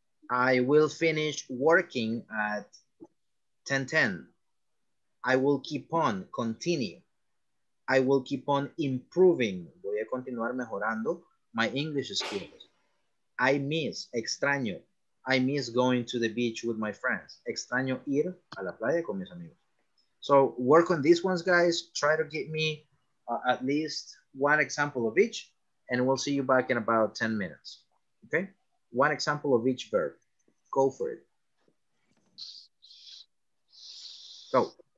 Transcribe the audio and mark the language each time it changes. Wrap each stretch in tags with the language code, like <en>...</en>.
<en>I will finish working at 10:10. I will keep on. Continue. I will keep on improving.</en> <es>Voy a continuar mejorando</es> <en>my English skills. I miss, extraño. I miss going to the beach with my friends.</en> <es>Extraño ir a la playa con mis amigos.</es> <en>So work on these ones, guys. Try to get me at least one example of each, and we'll see you back in about 10 minutes. Okay? One example of each verb. Go for it. Go.</en>